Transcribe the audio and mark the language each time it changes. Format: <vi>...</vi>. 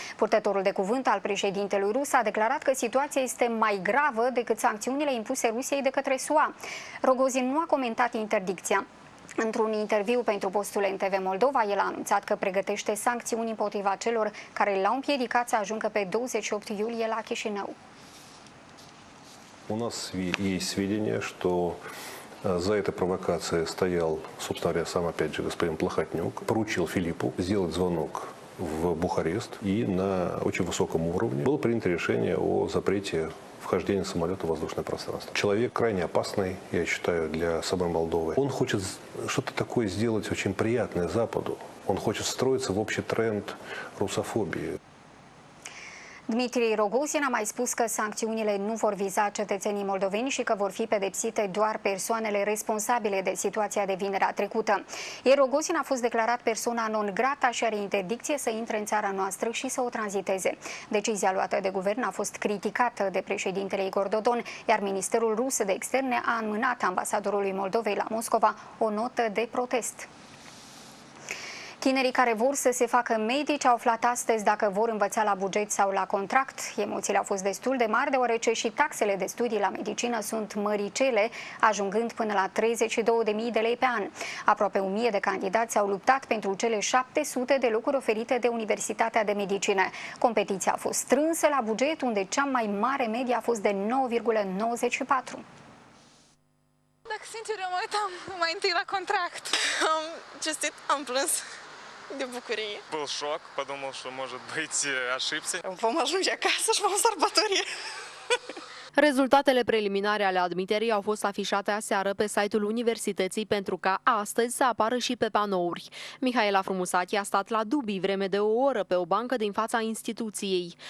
<ro>Purtătorul de cuvânt al președintelui rus a declarat că situația este mai gravă decât sancțiunile impuse Rusiei de către SUA. Rogozin nu a comentat interdicția. Într-un interviu pentru postul NTV Moldova, el a anunțat că pregătește sancțiuni împotriva celor care l-au împiedicat să ajungă pe 28 iulie la Chișinău.</ro> <ru>У нас есть сведения, что за этой провокацией стоял, собственно говоря, сам опять же господин Плахотнюк, поручил Филиппу сделать звонок в Бухарест, и на очень высоком уровне было принято решение о запрете вхождения самолета в воздушное пространство. Человек крайне опасный, я считаю, для самой Молдовы. Он хочет что-то такое сделать очень приятное Западу. Он хочет встроиться в общий тренд русофобии.</ru> <ro>Dmitri Rogozin a mai spus că sancțiunile nu vor viza cetățenii moldoveni și că vor fi pedepsite doar persoanele responsabile de situația de vinerea trecută. Iar Rogozin a fost declarat persona non grata și are interdicție să intre în țara noastră și să o tranziteze. Decizia luată de guvern a fost criticată de președintele Igor Dodon, iar Ministerul Rus de Externe a înmânat ambasadorului Moldovei la Moscova o notă de protest. Tinerii care vor să se facă medici au aflat astăzi dacă vor învăța la buget sau la contract. Emoțiile au fost destul de mari, deoarece și taxele de studii la medicină sunt măricele, ajungând până la 32.000 de lei pe an. Aproape 1.000 de candidați au luptat pentru cele 700 de locuri oferite de Universitatea de Medicină. Competiția a fost strânsă la buget, unde cea mai mare medie a fost de 9,94. Dacă sincer, eu mă uitam mai întâi la contract. Am cestit, am plâns de bucurie.</ro> <ru>Был шок, подумал, что может быть ошибся.</ru> <ro>Vom ajunge acasă și vom sărbătorie. Rezultatele preliminare ale admiterii au fost afișate aseară pe site-ul universității pentru ca astăzi să apară și pe panouri. Mihaela Frumusati a stat la dubii vreme de o oră pe o bancă din fața instituției.</ro>